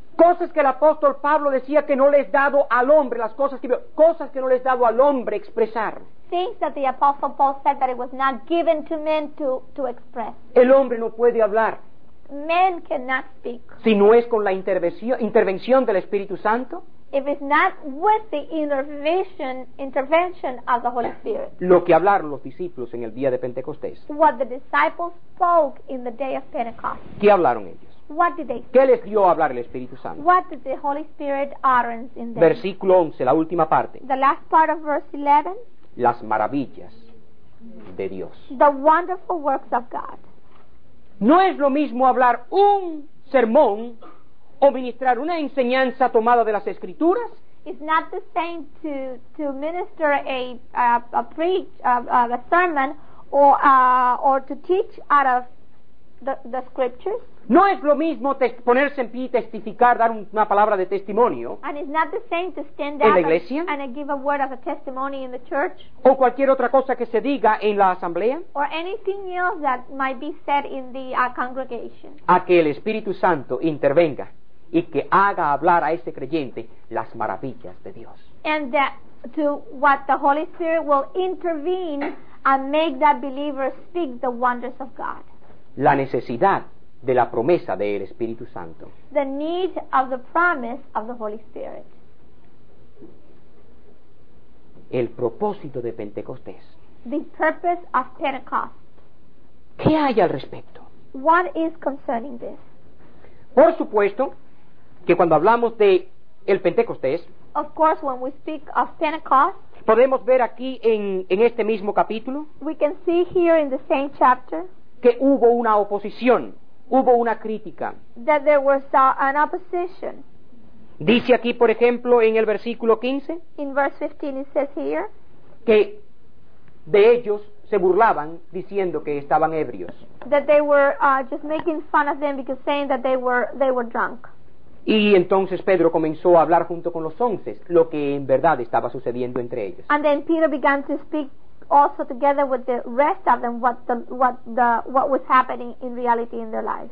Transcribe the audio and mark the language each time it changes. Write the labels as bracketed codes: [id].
[es] Cosas que el apóstol Pablo decía que no les he dado al hombre, las cosas que veo, cosas que no les he dado al hombre expresar. [en] things that the Apostle Paul said that it was not given to men to express. [es] El hombre no puede hablar. [en] Men cannot speak. [es] Si no es con la intervención del Espíritu Santo. [en] If it's not with the intervention of the Holy Spirit. [es] Lo que hablaron los discípulos en el día de Pentecostés. [en] What the disciples spoke in the day of Pentecost. [es] ¿Qué hablaron ellos? [en] What did they say? [es] ¿Qué les dio a hablar el Espíritu Santo? [en] What did the Holy Spirit utter in them? [es] Versículo 11, la última parte. [en] The last part of verse 11. [es] Las maravillas de Dios. [en] The wonderful works of God. [es] No es lo mismo hablar un sermón o ministrar una enseñanza tomada de las Escrituras. [en] It's not the same to minister a sermon or to teach out of the Scriptures. [es] No es lo mismo ponerse en pie y testificar, dar una palabra de testimonio. [en] And it's not the same to stand [es] en la iglesia [en] and give a word of a testimony in the church. [es] O cualquier otra cosa que se diga en la asamblea. [en] Or anything else that might be said in the congregation. [es] A que el Espíritu Santo intervenga y que haga hablar a ese creyente las maravillas de Dios. [en] And that to what the Holy Spirit will intervene and make that believer speak the wonders of God. [es] La necesidad de la promesa del Espíritu Santo. [en] The need of the promise of the Holy Spirit. [es] El propósito de Pentecostés. [en] The purpose of Pentecost. [es] ¿Qué hay al respecto? [en] What is concerning this? [es] Por supuesto que cuando hablamos de el Pentecostés, [en] of course, when we speak of Pentecost, [es] podemos ver aquí en este mismo capítulo, [en] we can see here in the same chapter, [es] que hubo una oposición. Hubo una crítica. [en] That there was an opposition. [es] Dice aquí, por ejemplo, en el versículo 15. [en] In verse 15 it says here. [es] Que de ellos se burlaban diciendo que estaban ebrios. [en] That they were just making fun of them because saying that they were drunk. [es] Y entonces Pedro comenzó a hablar junto con los once lo que en verdad estaba sucediendo entre ellos. [en] And then Peter began to speak also together with the rest of them what was happening in reality in their lives.